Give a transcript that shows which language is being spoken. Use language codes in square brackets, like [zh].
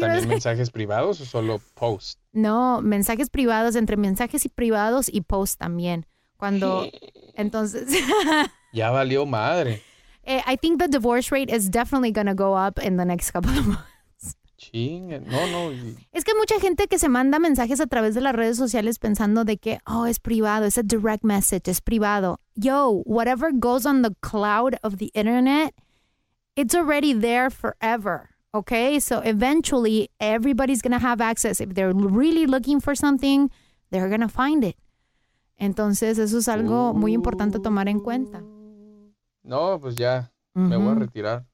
[es] ¿También mensajes privados o solo post? No, mensajes privados, entre mensajes y privados y post también. Cuando, entonces. Ya valió madre. [en] I think the divorce rate is definitely going to go up in the next couple of months. [es] No. Es que mucha gente que se manda mensajes a través de las redes sociales pensando de que, oh, es privado, es [en] a direct message, [es] es privado. [en] Yo, whatever goes on the cloud of the internet, it's already there forever, okay? So eventually, everybody's gonna have access. If they're really looking for something, they're gonna find it. [es] Entonces, eso es algo muy importante tomar en cuenta. No, pues ya, me voy a retirar.